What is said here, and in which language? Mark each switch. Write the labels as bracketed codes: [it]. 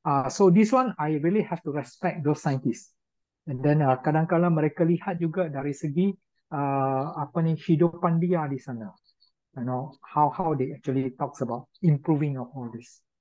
[en] So this one I really have to respect those scientists. And then [ms] kadang-kadang mereka lihat juga dari segi hidupan dia di sana. [en] You know, how they actually talks about improving of all this.